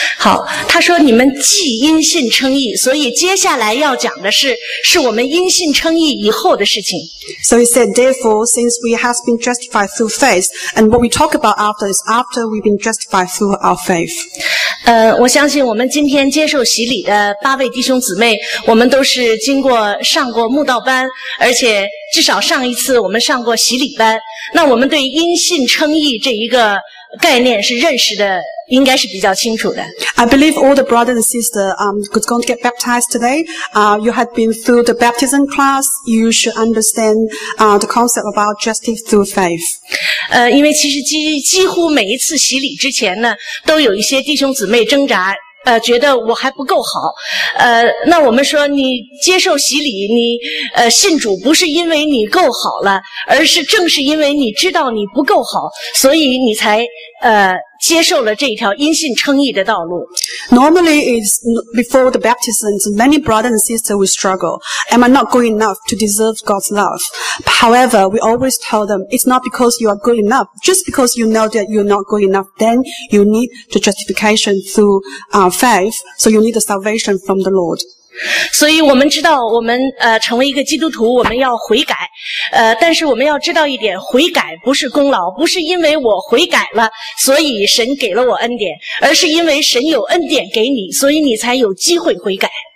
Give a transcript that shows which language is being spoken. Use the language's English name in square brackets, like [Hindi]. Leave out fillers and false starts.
[Chinese] 好，他说你们既因信称义，所以接下来要讲的是我们因信称义以后的事情。 [English] So he said, therefore, since we have been justified through faith, and what we talk about after is after we've been justified through our faith. [Chinese] 我相信我们今天接受洗礼的八位弟兄姊妹，我们都是经过上过慕道班，而且至少上一次我们上过洗礼班，那我们对因信称义这一个概念是认识的应该是比较清楚的。 [English] I believe all the brothers and sisters who's going to get baptized today, you have been through the baptism class, you should understand the concept about justice through faith. [Chinese] 因为其实几乎每一次洗礼之前呢，都有一些弟兄姊妹挣扎，觉得我还不够好。那我们说你接受洗礼，你信主不是因为你够好了，而是正是因为你知道你不够好，所以你才接受了这一条因信称义的道路。 [English] Normally it's before the baptism, many brothers and sisters will struggle. Am I not good enough to deserve God's love? However, we always tell them, it's not because you are good enough. Just because you know that you're not good enough, then you need the justification through faith. So you need the salvation from the Lord. [Chinese] 所以我们知道我们成为一个基督徒我们要悔改，但是我们要知道一点，悔改不是功劳，不是因为我悔改了所以神给了我恩典，而是因为神有恩典给你，所以你才有机会悔改。